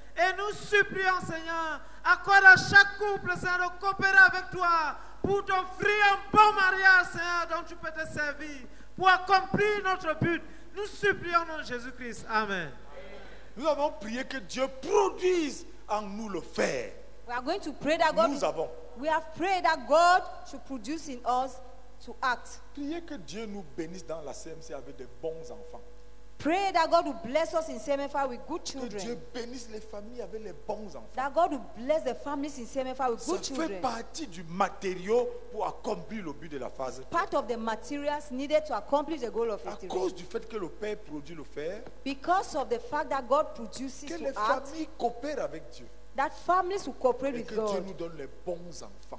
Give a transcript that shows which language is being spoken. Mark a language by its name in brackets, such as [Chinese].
[French] Et nous supplions, Seigneur, accorde à chaque couple, Seigneur, de coopérer avec toi pour t'offrir un bon mariage, Seigneur, dont tu peux te servir pour accomplir notre but. Nous supplions au nom de Jésus-Christ. Amen. Nous avons prié que Dieu produise en nous le fer. [English] We are going to pray that God. [French] Nous avons. [English] We have prayed that God should produce in us to act. [French] Priez que Dieu nous bénisse dans la CMC avec de bons enfants. [English] Pray that God will bless us in CMFA with good children. [French] Que Dieu bénisse les familles avec les bons enfants. [English] That God will bless the families in CMFA with good children. [French] Ça fait partie du matériau pour accomplir le but de la phase. [English] Part of the materials needed to accomplish the goal of it. [French] À cause du fait que le Père produit le fer. [English] Because of the fact that God produces to act. [French] Que les familles coopèrent avec Dieu. [English] That families will cooperate with God. [French] Et que Dieu nous donne les bons enfants.